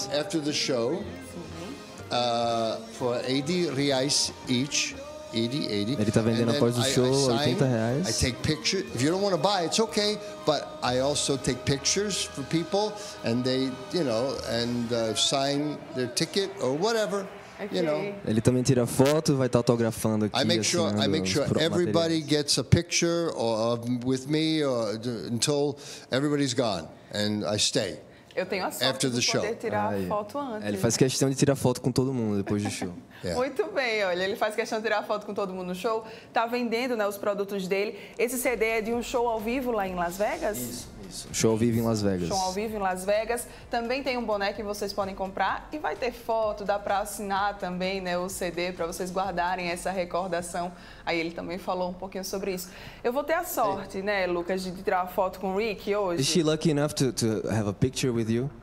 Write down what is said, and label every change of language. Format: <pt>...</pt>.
<en>Sell them after the show for 80 reais each. 80, 80.</en> <pt>Ele tá vendendo após o show, R$80.</pt> <en>I take pictures. If you don't want to buy, it's okay. But I also take pictures for people. And they, you know, and sign their ticket or whatever. Okay. You know.</en> <pt>Ele também tira foto, vai estar autografando aqui.</pt> <en>I make sure everybody gets a picture or with me or until everybody's gone. And I stay.</en> <pt>Eu tenho a sorte</pt> <en>after the</en> <pt>de</pt> <en>show.</en> <pt>Poder tirar ah, foto antes. Ele faz questão de tirar foto com todo mundo depois do show.</pt> <en>Yeah.</en> <pt>Muito bem, olha, ele faz questão de tirar foto com todo mundo no show. Tá vendendo, né, os produtos dele. Esse CD é de um show ao vivo lá em Las Vegas? Isso. Show ao vivo em Las Vegas. Show ao vivo em Las Vegas. Também tem um boné que vocês podem comprar e vai ter foto, dá para assinar também, né, o CD para vocês guardarem essa recordação. Aí ele também falou um pouquinho sobre isso. Eu vou ter a sorte, né, Lucas, de tirar a foto com o Rick hoje.</pt> <en>Is she lucky enough to have a picture with you?</en>